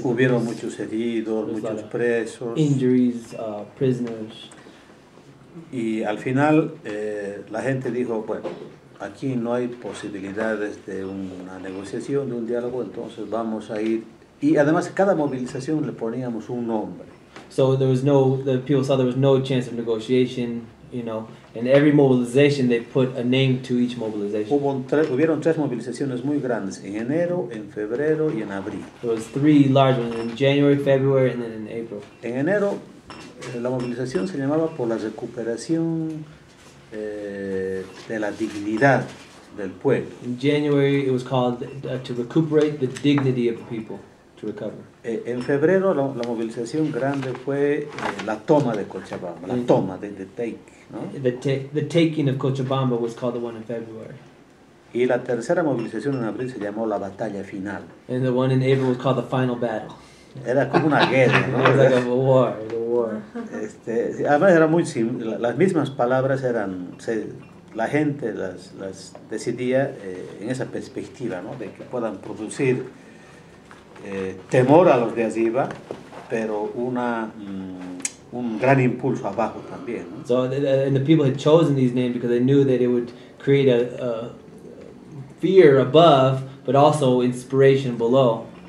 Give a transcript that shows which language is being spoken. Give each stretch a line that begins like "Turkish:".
Spanish: Hubieron muchos heridos, muchos presos.
English: Injuries, prisoners.
Spanish: Y al final la gente dijo, bueno, aquí no hay posibilidades de una negociación, de un diálogo, entonces vamos a ir. Y además cada movilización le poníamos un nombre.
English: So there was no, the people saw there was no chance of negotiation, you know. And every mobilization they put a name to each mobilization.
Spanish: Hubieron tres movilizaciones muy grandes, en enero, en febrero y en abril.
English: There was three large ones, in January, February and then in April.
Spanish: En enero, la movilización se llamaba por la recuperación de la dignidad del pueblo.
English: In January it was called to recuperate the dignity of the people, to recover.
Spanish: En febrero la movilización grande fue la toma de Cochabamba, la toma,
English: the take,
Spanish: ¿no?
English: The taking of Cochabamba was called the one in February.
Spanish: Y la tercera movilización en abril se llamó la batalla final.
English: And the one in April was called the final battle.
Spanish: Era como una guerra, ¿no?
English: It was like a war.
Spanish: Además era muy simple, las mismas palabras eran, la gente las decidía en esa perspectiva, ¿no? De que puedan producir temor a los de arriba, pero un gran impulso abajo también, ¿no?
English: So and the people had chosen these names because they knew that it would create a fear above, but also inspiration below.